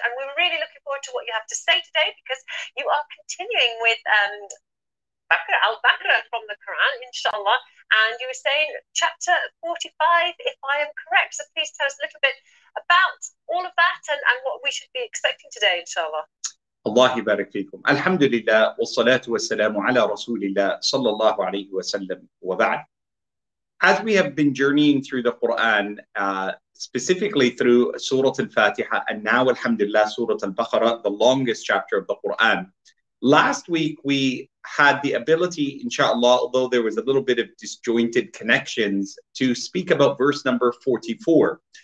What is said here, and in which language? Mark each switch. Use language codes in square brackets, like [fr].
[en] And we're really looking forward to what you have to say today, because you are continuing with Bakr al-Bakr from the Quran, inshallah. And you were saying chapter 45, if I am correct. So please tell us a little bit about all of that and what we should be expecting today, inshallah. [ar] الله يبارك فيكم. الحمد لله والصلاة والسلام على رسول الله صلى الله عليه وسلم وبعد. [en] As we have been journeying through the Quran, specifically through Surah Al-Fatiha, and now Alhamdulillah Surah Al-Baqarah, the longest chapter of the Quran. Last week we had the ability, inshallah, although there was a little bit of disjointed connections, to speak about verse number 44.